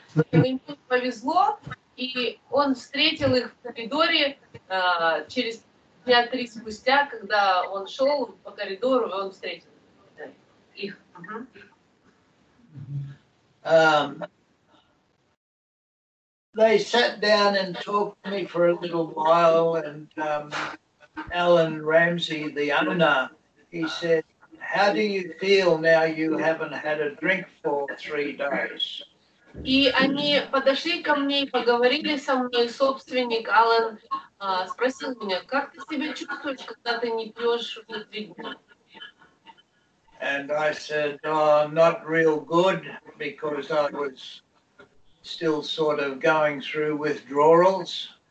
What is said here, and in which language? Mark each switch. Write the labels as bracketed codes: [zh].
[ru] Ему повезло, и он встретил их в коридоре через 5-3 спустя, когда он шел по коридору, он встретил их. [en] They sat down and talked to me for a little while, and Alan Ramsey, the owner, he said, how do you feel now you haven't had a drink for 3 days? [ru] И они подошли ко мне и поговорили со мной. Собственник Алан спросил меня, как ты себя чувствуешь, когда ты не пьешь уже 3 дня? [en] And I said, not real good, because I was still sort of going through withdrawals.